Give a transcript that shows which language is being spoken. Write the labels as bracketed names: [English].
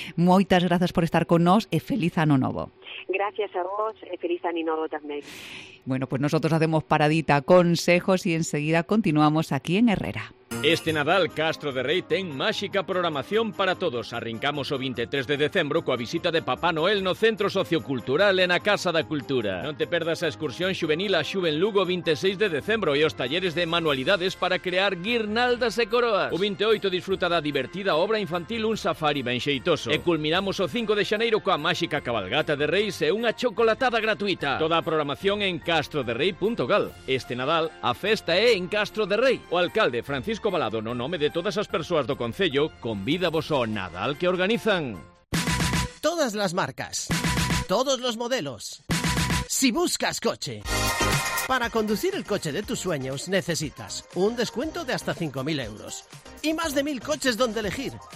[Galician] Moitas grazas por estar con nós e feliz ano novo. Gracias a vos e feliz ano novo tamén. [Spanish] Bueno, pues nosotros hacemos paradita, consejos, y enseguida continuamos aquí en Herrera. [Galician] Este Nadal, Castro de Rei ten máxica programación para todos. Arrincamos o 23 de decembro coa visita de Papá Noel no Centro Sociocultural en a Casa da Cultura. Non te perdas a excursión juvenil a Xuven Lugo 26 de decembro e os talleres de manualidades para crear guirnaldas e coroas. O 28 disfruta da divertida obra infantil Un Safari Ben Xeitoso. E culminamos o 5 de xaneiro coa máxica cabalgata de Reis e unha chocolatada gratuita. Toda a programación en castroderrei.gal. Este Nadal, a festa é en Castro de Rei. O alcalde Francisco Balado, no nome de todas as persoas do concello, convida vos ao Nadal que organizan. [Spanish] Todas las marcas, todos los modelos. Si buscas coche, para conducir el coche de tus sueños necesitas un descuento de hasta 5.000 euros y más de 1.000 coches donde elegir.